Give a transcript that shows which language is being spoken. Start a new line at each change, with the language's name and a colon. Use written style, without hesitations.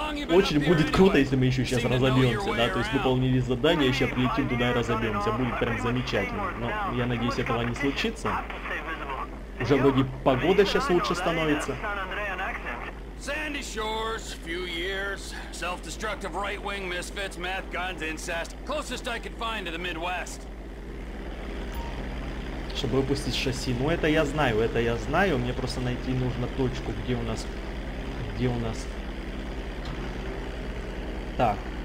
Russian: Очень будет круто, если мы еще сейчас разобьемся, да? То есть выполнили задание, еще прилетим туда и разобьемся. Будет прям замечательно. Но я надеюсь, этого не случится. Уже вроде погода сейчас лучше становится.
English: Sandy Shores, few years, self-destructive right-wing misfits, math guns, incest, closest I could find to the Midwest.
Russian: Чтобы выпустить шасси, ну это я знаю, мне просто найти нужно точку, где у нас... Так.